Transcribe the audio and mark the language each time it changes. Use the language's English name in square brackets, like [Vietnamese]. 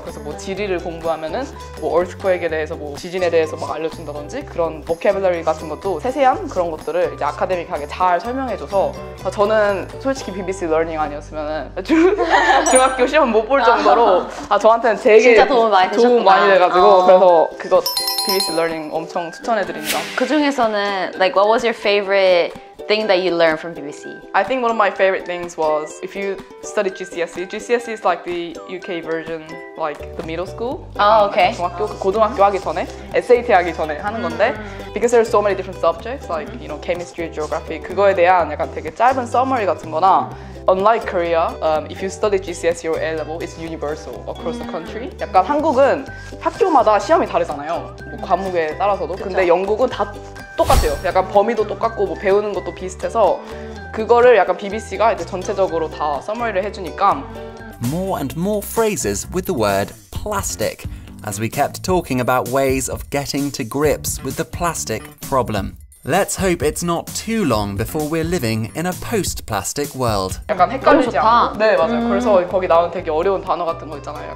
[Korean] 그래서 뭐 지리를 공부하면은 뭐 earthquake에 대해서 뭐 지진에 대해서 막 알려준다든지 그런 vocabulary 같은 것도 세세한 그런 것들을 이제 아카데믹하게 잘 설명해줘서 저는 솔직히 BBC Learning 아니었으면은 중학교 시험 못 볼 정도로 아 저한테는 되게 진짜 도움 많이 되셨구나. 도움 많이 돼가지고 그래서 그거 BBC Learning 엄청 추천해드립니다. 그 중에서는 [English] like what was your favorite thing that you learned from BBC? I think one of my favorite things was if you study GCSE, GCSE is like the UK version, like the middle school. Oh, okay. [Korean] 중학교, 고등학교 하기 전에, SAT 하기 전에 하는 건데 [English] because there are so many different subjects, like, you know, chemistry, geography, [Korean] 그거에 대한 약간 되게 짧은 summary 같은 거나 [English] Unlike Korea, if you study GCSE or A-level, it's universal across the country. [Korean] 약간 한국은 학교마다 시험이 다르잖아요. 뭐 과목에 따라서도. 근데 영국은 다 똑같아요. 약간 범위도 똑같고 뭐 배우는 것도 비슷해서 그거를 약간 BBC가 이제 전체적으로 다 summary를 해주니까 [English] More and more phrases with the word plastic as we kept talking about ways of getting to grips with the plastic problem. Let's hope it's not too long before we're living in a post-plastic world. [Korean] 약간 헷갈리지 않고. 네, 맞아요. 그래서 거기 나오는 되게 어려운 단어 같은 거 있잖아요.